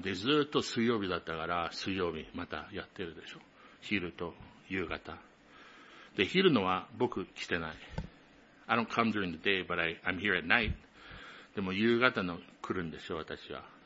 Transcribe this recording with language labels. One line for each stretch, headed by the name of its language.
Japanese: で、ずっと水曜日だったから、水曜日またやってるでしょ。昼と夕方。で、昼のは僕来てない。
English: I don't come during the day, but I'm here at night.
Japanese: でも夕方の来るんでしょ、私は。